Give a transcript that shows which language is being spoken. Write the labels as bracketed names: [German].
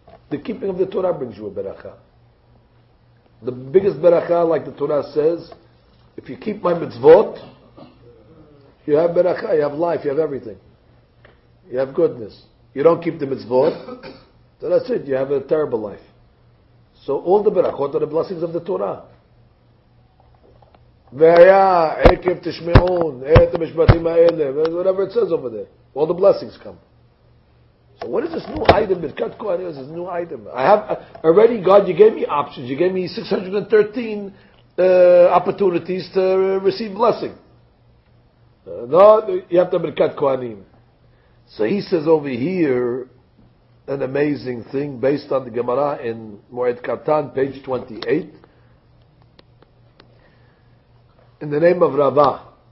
[English] The keeping of the Torah brings you a beracha. The biggest beracha, like the Torah says, if you keep my mitzvot, you have beracha, you have life, you have everything. You have goodness. You don't keep the mitzvot, so that's it, you have a terrible life. So all the berachot are the blessings of the Torah. [Hebrew] והיה עקב תשמעון את המשפטים האלה, [English] whatever it says over there. All the blessings come. So what is this new item? Birkat Kohanim is this new item. I have already, God, you gave me options. You gave me 613 opportunities to receive blessing. No, you have to have Birkat Kohanim. So he says over here, an amazing thing based on the Gemara in Moed Katan, page 28. In the name of Rava.